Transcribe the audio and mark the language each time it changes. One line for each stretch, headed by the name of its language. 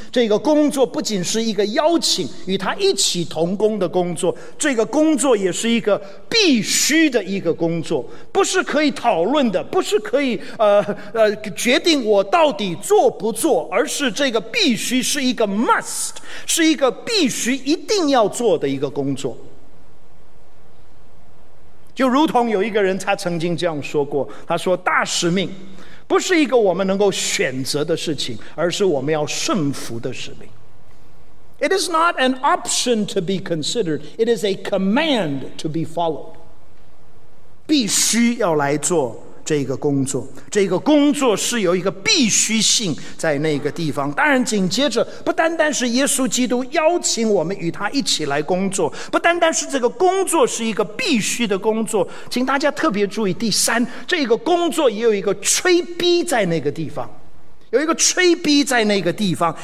Chinese: 这个工作不仅是一个邀请与他一起同工的工作，这个工作也是一个必须的一个工作，不是可以讨论的，不是可以决定我到底做不做，而是这个必须是一个 must， 是一个必须一定要做的一个工作。就如同有一个人他曾经这样说过，他说大使命不是一个我们能够选择的事情，而是我们要顺服的使命。
English: It is not an option to be considered, it is a command to be followed.
Chinese: 必须要来做这个工作，这个工作是有一个必须性在那个地方。当然紧接着不单单是耶稣基督邀请我们与他一起来工作，不单单是这个工作是一个必须的工作，请大家特别注意第三，这个工作也有一个催逼在那个地方，有一个催逼在那个地方。